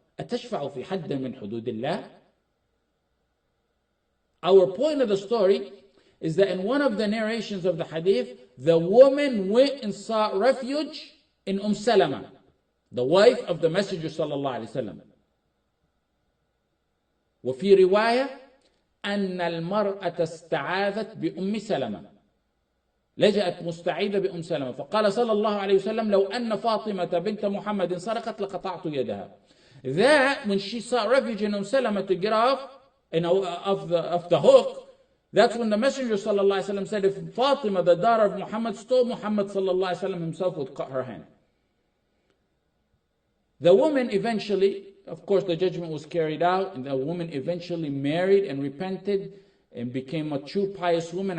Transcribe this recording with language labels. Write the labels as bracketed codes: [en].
[ar] أَتَشْفَعُ فِي حَدٍّ مِّنْ حُدُودِ اللَّهِ. [en] Our point of the story is that in one of the narrations of the hadith, the woman went and sought refuge in Salama, the wife of the Messenger sallallahu alayhi wa sallam. [ar] وَفِي رِوَايَةٍ أَنَّ الْمَرْأَةَ اسْتَعَاذَتْ بِأُمِّ سَلَمَةٍ لجأت مستعيدة بأم سلمة. فقال صلى الله عليه وسلم لو أن فاطمة بنت محمد سرقت لقطعت يدها. [en] That when she sought refuge in Salama to get off, you know, of the hook, that's when the Messenger sallallahu alaihi wasallam said, if Fatima, the daughter of Muhammad, stole Muhammad sallallahu alaihi wasallam, himself would cut her hand. The woman eventually, of course, the judgment was carried out, and the woman eventually married and repented and became a true pious woman.